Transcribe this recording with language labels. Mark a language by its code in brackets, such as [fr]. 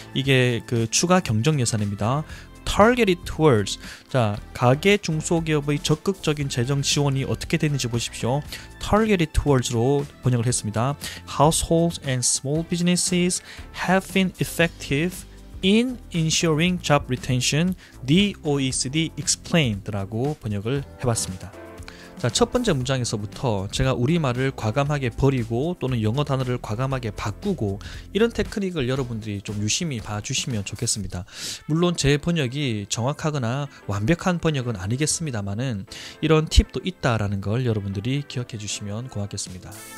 [ko] 이게 그 추가 경정 예산입니다. [en] Targeted towards. [ko] 자, 가계 중소기업의 적극적인 재정 지원이 어떻게 되는지 보십시오. [en] Targeted towards [ko] 로 번역을 했습니다. [en] Households and small businesses have been effective in ensuring job retention, the OECD explained [ko] 라고 번역을 해봤습니다. 자, 첫 번째 문장에서부터 제가 우리말을 과감하게 버리고 또는 영어 단어를 과감하게 바꾸고 이런 테크닉을 여러분들이 좀 유심히 봐주시면 좋겠습니다. 물론 제 번역이 정확하거나 완벽한 번역은 아니겠습니다만은 이런 팁도 있다라는 걸 여러분들이 기억해 주시면 고맙겠습니다.